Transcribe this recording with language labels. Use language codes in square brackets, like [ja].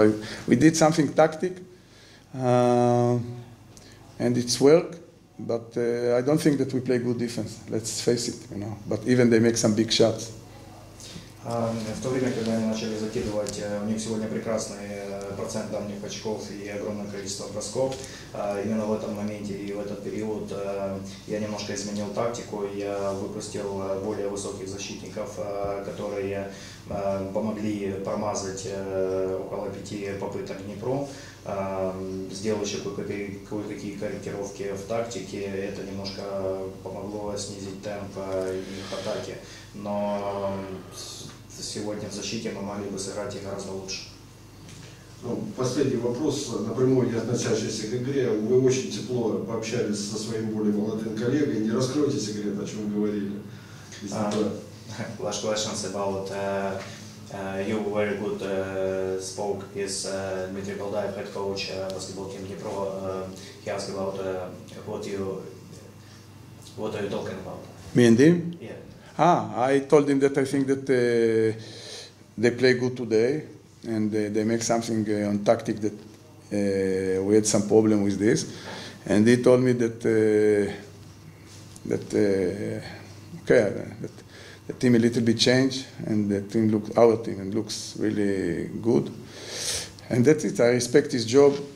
[en] So we did something tactic, and it's work, but I don't think that we play good defense, let's face it, you know, but even they make some big shots. [ru] В то время, когда они начали закидывать, у них сегодня прекрасный процент дальних очков и огромное количество бросков. Именно в этом моменте и в этот период я немножко изменил тактику. Я выпустил более высоких защитников, которые помогли промазать около 5 попыток Днепру. Сделал еще кое-какие корректировки в тактике. Это немножко помогло снизить темп их атаки. Но сегодня в защите мы могли бы сыграть гораздо лучше. Ну, последний вопрос, напрямую не относящийся к игре. Вы очень тепло пообщались со своим более молодым коллегой. Не раскройте секрет, о чем вы говорили. [en] Last question about you very good spoke with Дмитрий Балдаев, head coach basketball team Dnipro. He asked about what are you talking about? Me and him? Yeah. I told him that I think that they play good today, and they make something on tactic that we had some problem with this, and he told me that that the team a little bit changed, and the team looks our team and looks really good, and that's it. I respect his job.